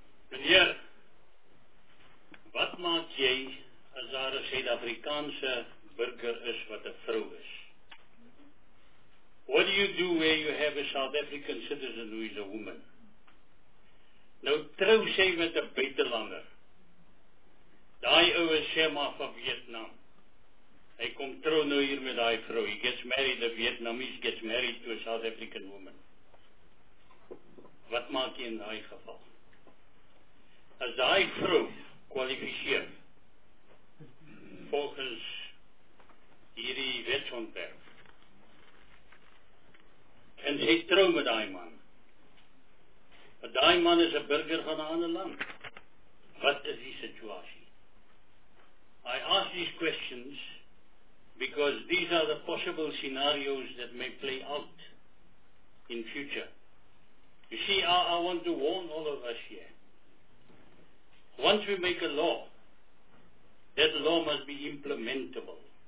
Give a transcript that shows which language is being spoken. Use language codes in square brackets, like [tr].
[af] Meneer, wat maak jy as daar 'n Suid-Afrikaanse burger is wat 'n vrou is? [en] What do you do where you have a South African citizen who is a woman? [af] Nou trou sy met 'n buitelander. Daai ouwe sê maar van Vietnam. Hy kom trou nou hier met daai vrou. [en] He gets married, a Vietnamese gets married to a South African woman. [af] Wat maak jy in daai geval? As daai vrou kwalifiseer volgens hierdie wetsontwerp, en sy trou met daai man, want daai man is 'n burger van 'n ander land, wat is die situasie? [en] I ask these questions because these are the possible scenarios that may play out in future. You see, I want to warn all of us here. Once we make a law, that law must be implementable.